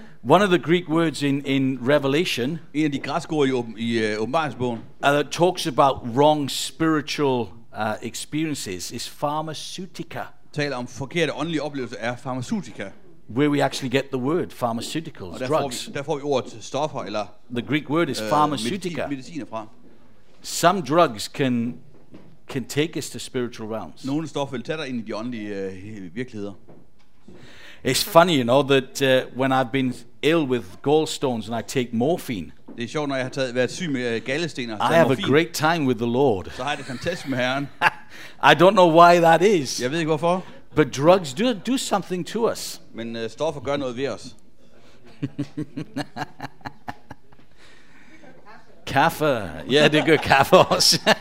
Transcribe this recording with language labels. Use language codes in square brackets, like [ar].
[en] One of the Greek words in Revelation, [da] en af de græske ord i åbenbaringsbogen, [en] that talks about wrong spiritual experiences, is pharmaceutica. [da] Taler om forkerte åndelige oplevelser er pharmaceutica. [en] Where we actually get the word pharmaceuticals, drugs. [da] Derfor vi ordet stoffer eller. [en] The Greek word is pharmaceutica. [da] Mediciner fra. [en] Some drugs can take us to spiritual realms. [da] Nogle stoffer vil tage dig ind i de åndelige virkeligheder. [en] It's funny, you know, that when I've been ill with gallstones and I take morphine. [da] Det er sjovt, når jeg har været syg med gallesten og taget [en] morfin. I have a great time with the Lord. [da] Så har det fantastisk med Herren. [en] I don't know why that is. [da] Jeg ved ikke hvorfor. [en] But drugs do something to us. [da] Men stoffer gør noget ved os. Kaffe. Ja, det gør kaffe også.